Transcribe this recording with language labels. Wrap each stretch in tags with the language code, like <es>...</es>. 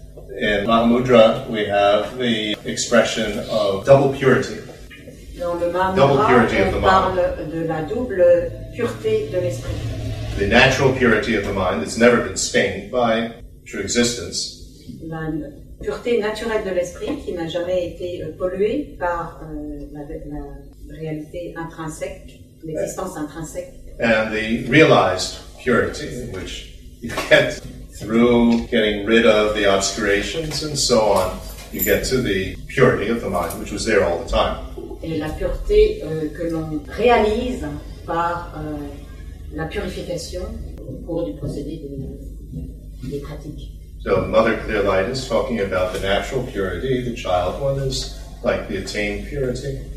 <en>In Mahamudra, we have the expression of double purity.</en> <fr>Dans le Mahamudra,</fr> <en>double purity of the mind.</en> <fr>De la double pureté de l'esprit.</fr> <en>The natural purity of the mind that's never been stained by true existence.</en> <fr>La pureté naturelle de l'esprit qui n'a jamais été polluée par la réalité intrinsèque, l'existence intrinsèque.</fr> <en>And the realized purity, which you get through getting rid of the obscurations and so on, you get to the purity of the mind, which was there all the time.</en> <fr>Et la pureté que l'on réalise par la purification au cours du procédé des pratiques.</fr> <en>So Mother Clear Light is talking about the natural purity, the child one is like the attained purity.</en>